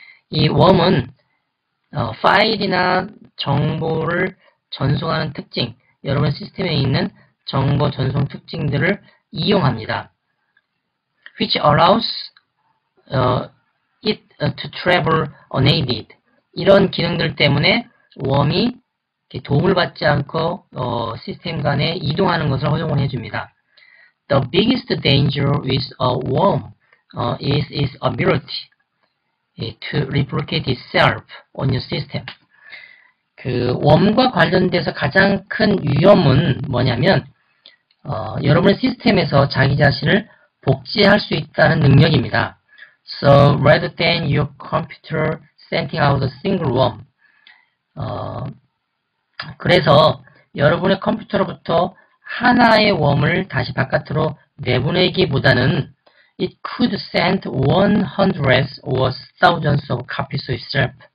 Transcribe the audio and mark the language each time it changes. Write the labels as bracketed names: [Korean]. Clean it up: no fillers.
[Korean] 이 웜은 파일이나 정보를 전송하는 특징, 여러분 시스템에 있는 정보 전송 특징들을 이용합니다. [English] Which allows it to travel unaided. [Korean] 이런 기능들 때문에 웜이 도움을 받지 않고 시스템 간에 이동하는 것을 허용을 해줍니다. [English] The biggest danger with a worm is its ability to replicate itself on your system. [Korean] 그 웜과 관련돼서 가장 큰 위험은 뭐냐면 여러분의 시스템에서 자기 자신을 복제할 수 있다는 능력입니다. [English] So rather than your computer sending out a single worm, 그래서 여러분의 컴퓨터로부터 하나의 웜을 다시 바깥으로 내보내기보다는 it could send 100s or thousands of copies of itself.